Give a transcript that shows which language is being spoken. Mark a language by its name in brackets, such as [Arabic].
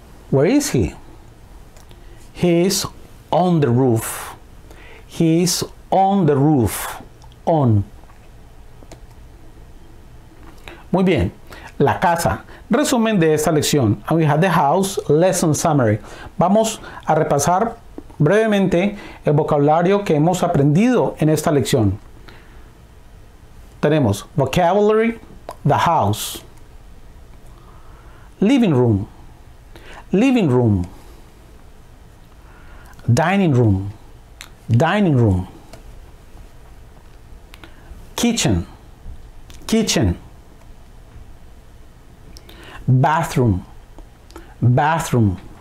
[English] Where is he? He is on the roof. He is on the roof. On. [Spanish] Muy bien. La casa. Resumen de esta lección. [English] And we have the house lesson summary. [Spanish] Vamos a repasar brevemente el vocabulario que hemos aprendido en esta lección. [English] Tenemos vocabulary, the house, living room, living room, dining room, dining room, kitchen, kitchen, bathroom, bathroom,